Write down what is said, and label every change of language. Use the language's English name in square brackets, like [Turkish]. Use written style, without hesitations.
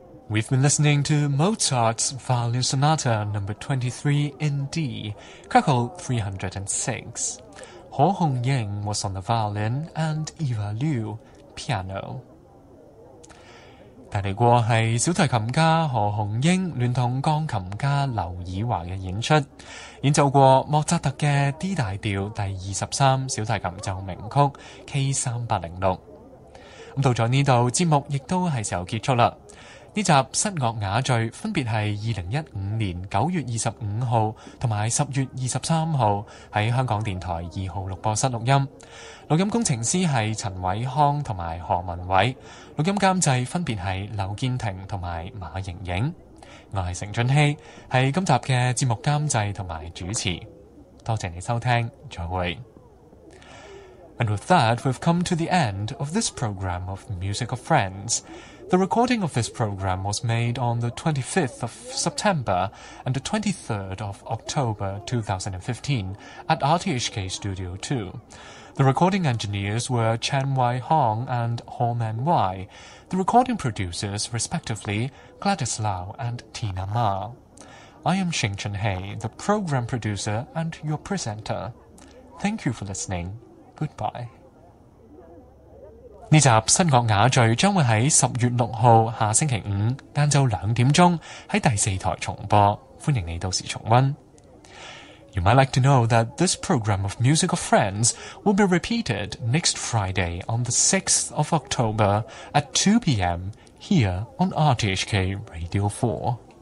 [English] We've been listening to Mozart's Violin Sonata No. 23 in D, KOKO 306. Ho Hongying was on the violin and Eva Liu, piano. [Cantonese] 带来过是小提琴家何鸿英联同钢琴家刘以华的演出，演奏过莫扎特的 D 大调第23小提琴奏鸣曲 K306。到了这里，节目亦都是时候结束了。这集失乐雅叙分别是2015年9月25号和10月23号在香港电台2号录播室录音。录音工程师是陈伟康和何文伟，录音监制分别是刘建廷和马莹莹。我是程俊熙，是今集的节目监制和主持。多谢你收听，再会。 [English] And with that, we've come to the end of this program of Music of Friends. The recording of this program was made on the 25th of September and the 23rd of October 2015 at RTHK Studio 2. The recording engineers were Chen Wai Hong and Ho Man Wai, the recording producers respectively Gladys Lau and Tina Ma. I am Xing Chen He, the program producer and your presenter. Thank you for listening. Goodbye. [Cantonese] 这集失乐雅叙将会在10月6号下星期五下午2点钟在第四台重播，欢迎你到时重温。 [English] You might like to know that this program of Music of Friends will be repeated next Friday on the 6th of October at 2 PM here on RTHK Radio 4.